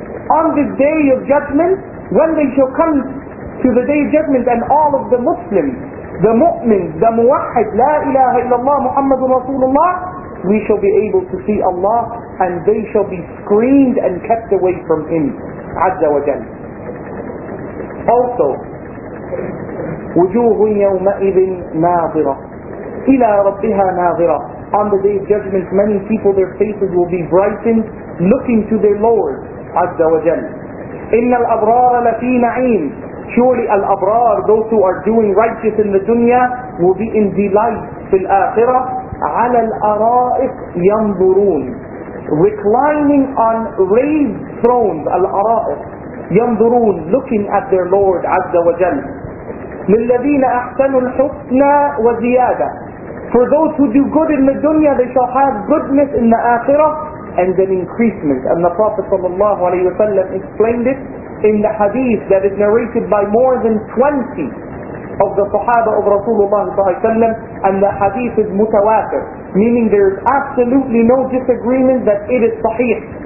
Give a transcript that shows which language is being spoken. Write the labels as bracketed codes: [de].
[en] On the day of judgment, when they shall come to the day of judgment, and all of the Muslims, the mu'min, the muwahid, [ar] لا إله إلا الله محمد رسول الله, [en] we shall be able to see Allah, and they shall be screened and kept away from Him [ar] عز وجل. Also وجوه يومئذ ناظرة إلى ربها ناظرة. [en] On the day of judgment, many people, their faces will be brightened, looking to their Lord, [ar] عز وجل. إن الأبرار لفي نعيم. [en] Surely الأبرار, those who are doing righteous in the dunya, will be in delight [ar] في الآخرة. على الأرائك ينظرون. [en] Reclining on raised thrones, [ar] الأرائك ينظرون, [en] looking at their Lord, [ar] عز وجل. للذين أحسنوا الحسنى وزيادة. [en] For those who do good in the dunya, they shall have goodness in the akhirah and an increasement. And the Prophet sallallahu alayhi wa sallam explained it in the hadith that is narrated by more than 20 of the sahaba of Rasulullah sallallahu alayhi wa sallam, and the hadith is mutawatir, meaning there is absolutely no disagreement that it is sahih.